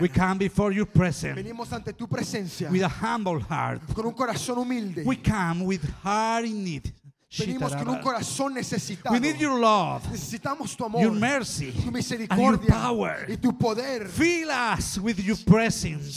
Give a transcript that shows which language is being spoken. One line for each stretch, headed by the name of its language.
English: We come before your presence.
Spanish: Venimos ante tu presencia.
English: With a humble heart.
Spanish: Con un corazón humilde.
English: We come with heart in need.
Spanish: Pedimos con un corazón necesitado.
English: We need your love.
Spanish: Necesitamos tu amor.
English: Your mercy.
Spanish: Tu misericordia.
English: And your power.
Spanish: Y tu poder.
English: Fill us with your presence.